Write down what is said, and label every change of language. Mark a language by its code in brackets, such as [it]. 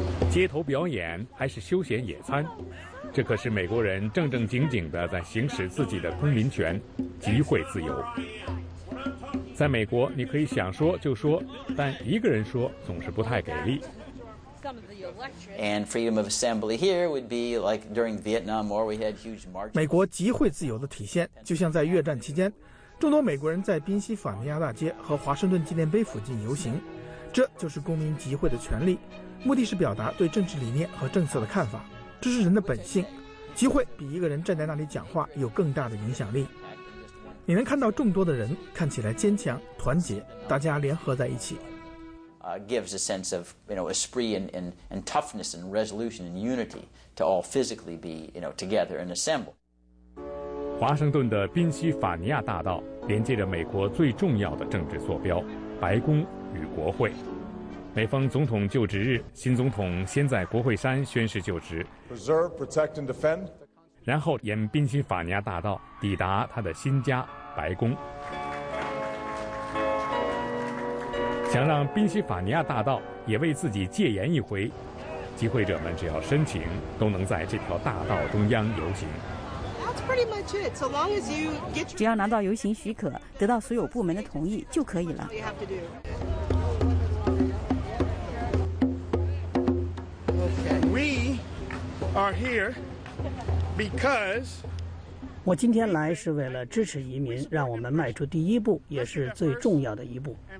[zh] 街头表演还是休闲野餐，这可是美国人正正经经地在行使自己的公民权——集会自由。在美国，你可以想说就说，但一个人说总是不太给力。 [en] And freedom of assembly here would be like during Vietnam War, we had huge marches. [zh] 美国集会自由的体现，就像在越战期间，众多美国人在宾夕法尼亚大街和华盛顿纪念碑附近游行，这就是公民集会的权利，目的是表达对政治理念和政策的看法，这是人的本性。集会比一个人站在那里讲话有更大的影响力。你能看到众多的人看起来坚强、团结，大家联合在一起。 [en] Gives a sense of, you know, esprit and toughness and resolution and unity to all physically be, you know, together and assemble. [zh] 华盛顿的宾夕法尼亚大道连接着美国最重要的政治坐标白宫与国会。每逢总统就职日，新总统先在国会山宣誓就职 [en] ，preserve, protect, and defend. [zh] 然后沿宾夕法尼亚大道抵达他的新家白宫。想让宾夕法尼亚大道也为自己戒严一回，集会者们只要申请，都能在这条大道中央游行。 [en] That's pretty much it. So long as you get [zh] 只要拿到游行许可，得到所有部门的同意就可以了。 [en] We are here because [zh] 我今天来是为了支持移民，让我们迈出第一步，也是最重要的一步。